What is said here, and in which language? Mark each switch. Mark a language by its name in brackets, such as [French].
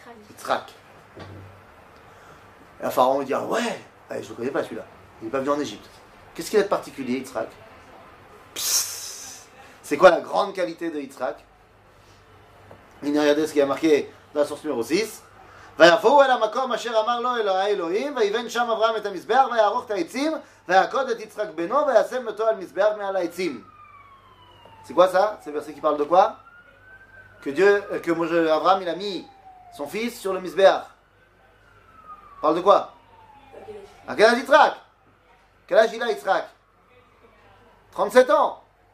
[French] Yitzhak. Et le pharaon dit, ah ouais, allez, je ne le connais pas celui-là, il n'est pas venu en Égypte. Qu'est-ce qu'il a de particulier, Yitzhak? C'est quoi la grande qualité de Yitzhak? Il a regardé ce qu'il y a marqué dans la source numéro 6. [Hebrew] ויבואו אל המקום אשר אמר לו אלוהי אלוהים ויבן שם אברהם את המזבח ויערוך את העצים ויעקוד את יצחק בנו וישם אותו על מזבח מעל העצים. [French] C'est quoi ça? C'est verset qui parle de quoi? Que Dieu, que Moïse, Abraham, il a mis son fils sur le Mizbeach. Parle de quoi? À quel âge Yitzhak? Quel âge il a Yitzhak? 37 ans.